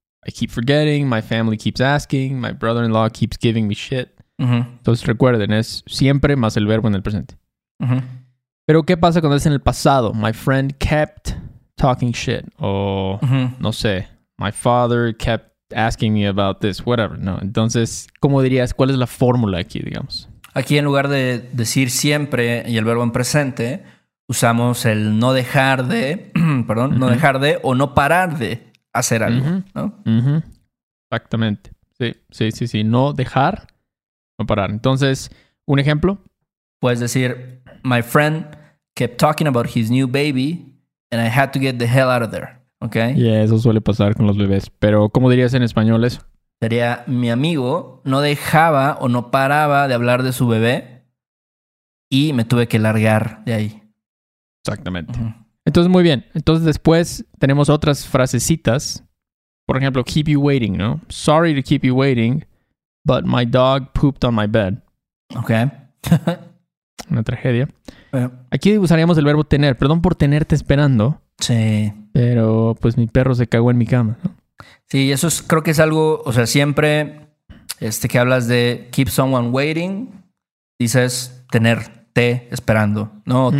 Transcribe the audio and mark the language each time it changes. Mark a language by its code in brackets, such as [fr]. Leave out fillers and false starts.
[en] I keep forgetting, my family keeps asking, my brother-in-law keeps giving me shit. Uh-huh. [es] Entonces, recuerden, es siempre más el verbo en el presente. Uh-huh. Pero, ¿qué pasa cuando es en el pasado? [en] My friend kept talking shit. O, no sé, my father kept asking me about this, whatever, ¿no? [es] Entonces, ¿cómo dirías? ¿Cuál es la fórmula aquí, digamos? Aquí, en lugar de decir siempre y el verbo en presente, usamos el no dejar de, perdón, uh-huh. no dejar de o no parar de hacer algo, uh-huh. ¿no? Uh-huh. Exactamente. Sí. No dejar, no parar. Entonces, ¿un ejemplo? Puedes decir, [en] my friend kept talking about his new baby and I had to get the hell out of there. Okay. [es] Yeah, eso suele pasar con los bebés. Pero, ¿cómo dirías en español eso? Sería, mi amigo no dejaba o no paraba de hablar de su bebé y me tuve que largar de ahí. Exactamente. Uh-huh. Entonces, muy bien. Entonces, después tenemos otras frasecitas. Por ejemplo, [en] keep you waiting, [es] ¿no? [en] Sorry to keep you waiting, but my dog pooped on my bed. Okay. [es] Una tragedia. Aquí usaríamos el verbo tener. Perdón por tenerte esperando. Sí. Pero, pues, mi perro se cagó en mi cama, ¿no? Sí, eso es, creo que es algo, o sea, siempre que hablas de [en] keep someone waiting, [es] dices tenerte esperando, ¿no? Uh-huh.